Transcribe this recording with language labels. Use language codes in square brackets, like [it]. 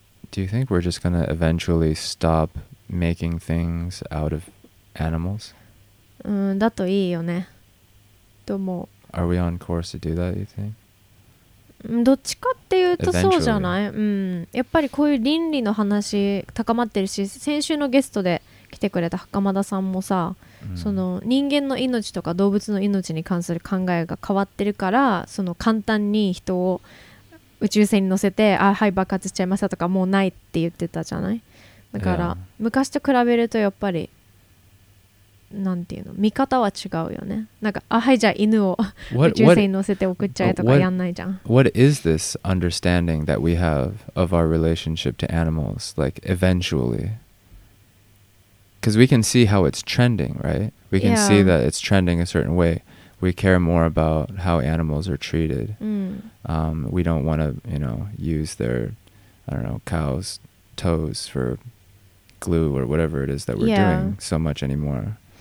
[en] Do you think we're just gonna eventually stop making things out of animals? [ja] だといいよね。と思う。 [en] Are we on course to do that, you think? [ja] どっちかっていうとそうじゃない、やっぱりこういう倫理の話高まってるし先週のゲストで来てくれた袴田さんもさ、その人間の命とか動物の命に関する考えが変わってるからその簡単に人を宇宙船に乗せてあはい爆発しちゃいましたとかもうないって言ってたじゃないだから、昔と比べるとやっぱりなんていうの見方は違うよね。なんかあはいじゃあ犬を宇宙船に乗せて送っちゃえとかやんないじゃん。 [en] What is this understanding that we have of our relationship to animals? Like eventually, because we can see how it's trending, right? We can see that it's trending a certain way. We care more about how animals are treated. We don't want to, you know, use their, I don't know, cows' toes for glue or whatever it is that we're doing so much anymore.